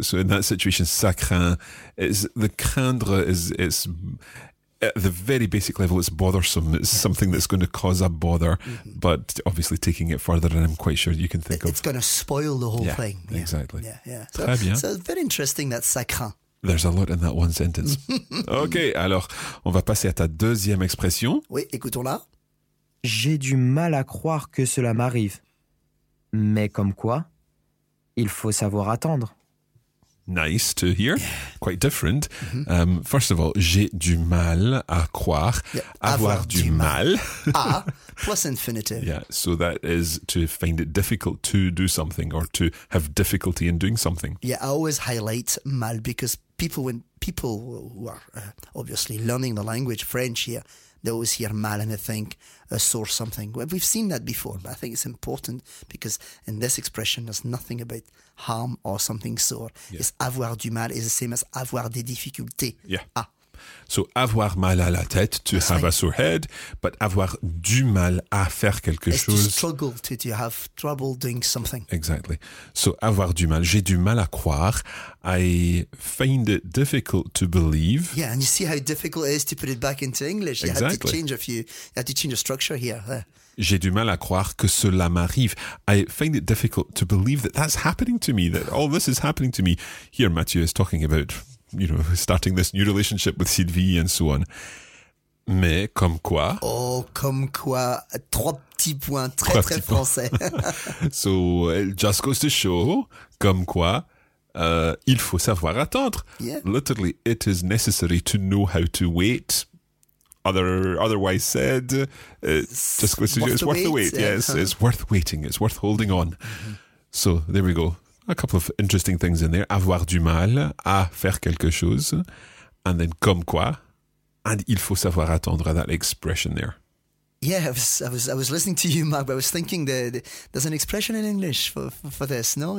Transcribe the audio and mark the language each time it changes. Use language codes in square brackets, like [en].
[en] So in that situation, [fr] ça craint. [en] The craindre is, at the very basic level, it's bothersome. It's something that's going to cause a bother. Mm-hmm. But obviously taking it further, and I'm quite sure you can think it's going to spoil the whole thing. Yeah, exactly. Yeah. So very interesting that [fr] ça craint. [en] There's a lot in that one sentence. [fr] OK, alors, on va passer à ta deuxième expression. Oui, écoutons-la. J'ai du mal à croire que cela m'arrive. Mais comme quoi, il faut savoir attendre. [en] Nice to hear. Quite different. Mm-hmm. First of all, [fr] j'ai du mal à croire. Yeah. Avoir du mal. [en] plus infinitive. Yeah, so that is to find it difficult to do something or to have difficulty in doing something. Yeah, I always highlight mal because people who are obviously learning the language, French here, they always hear mal and they think a sore something. We've seen that before, but I think it's important because in this expression, there's nothing about harm or something sore. Yeah. [fr] It's avoir du mal [en] is the same as [fr] avoir des difficultés. [en] Yeah. Ah. [fr] So avoir mal à la tête, [en] to That's have right. a sore head, but [fr] avoir du mal à faire quelque [en] It's [fr] chose. [en] To struggle, to have trouble doing something. Exactly. [fr] So avoir du mal, j'ai du mal à croire. [en] I find it difficult to believe. Yeah, and you see how difficult it is to put it back into English. Exactly. You have to change your structure here. [fr] J'ai du mal à croire que cela m'arrive. [en] I find it difficult to believe that that's happening to me, that all this is happening to me. Here, Mathieu is talking about... You know, starting this new relationship with Sylvie and so on. [fr] Mais comme quoi? Oh, comme quoi? Trois petits points, très très français. [en] So it just goes to show, [fr] comme quoi, il faut savoir attendre. [en] Yeah. Literally, it is necessary to know how to wait. Otherwise said, it's worth the wait. Yes, it's worth waiting. It's worth holding on. Mm-hmm. So there we go. A couple of interesting things in there. [fr] Avoir du mal à faire quelque chose. [en] And then [fr] comme quoi. [en] And [fr] il faut savoir attendre, [en] that expression there. Yeah, I was listening to you, Mark, but I was thinking that there's an expression in English for this, no?